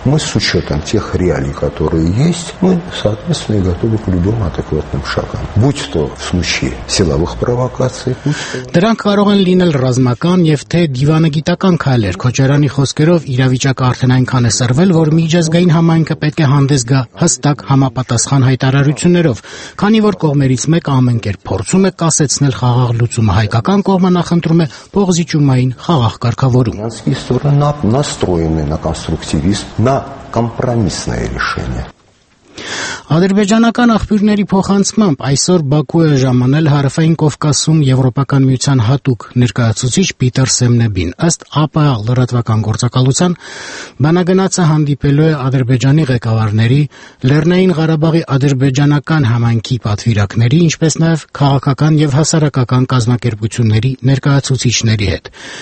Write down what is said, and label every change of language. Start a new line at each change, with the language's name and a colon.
Russian: Мы с учетом тех реалий, которые есть, мы, соответственно, и готовы к любым адекватным шагам. Будь то в случае силовых провокаций,
Armenian: Դրանք կարող են լինել ռազմական և թե դիվանագիտական քայլեր, Քոչարյանի խոսքերով իրավիճակը արդեն այնքան է սրվել, որ միջազգային համայնքը պետք է հանդես գա հստակ համապատասխան հայտարարություններով, քանի որ կողմերից մեկը ամենքեր փորձում է կասեցնել խաղաղ լուծումը, հայկական կողմը նախընտրում է փողզիջումային խաղաղ կարգավորումը։
Russian: Армянские стороны настроены на конструктивизм, на компромиссное решение.
Armenian: Ադրբեջանական աղբյուրների փոխանցումը այսօր Բաքու է ժամանել Հարավային Կովկասում Եվրոպական Միության հատուկ ներկայացուցիչ Պիտեր Սեմնեբին։ Ըստ ԱՊԱ լրատվական գործակալության, բանագնացը հանդիպելու է Ադրբեջանի ղեկավարների, Լեռնային Ղարաբաղի ադրբեջանական համայնքի պատվիրակների, ինչպես նաև քաղաքական և հասարակական կազմակերպությունների ներկայացուցիչների հետ։